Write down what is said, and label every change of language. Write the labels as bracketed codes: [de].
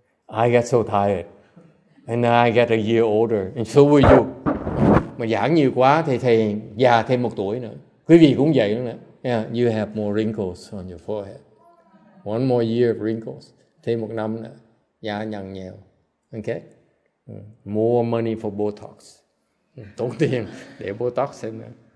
[en] I get so tired, and then I get a year older, and so will you. [vi] Mà giảng nhiều quá thì thầy già thêm một tuổi nữa. Quý vị cũng vậy nữa. [en] Yeah, you have more wrinkles on your forehead. One more year of wrinkles. [vi] Thêm một năm nữa, già nhăn nhèo. [en] Okay? More money for Botox. [vi] Tốn tiền để Botox xem nữa.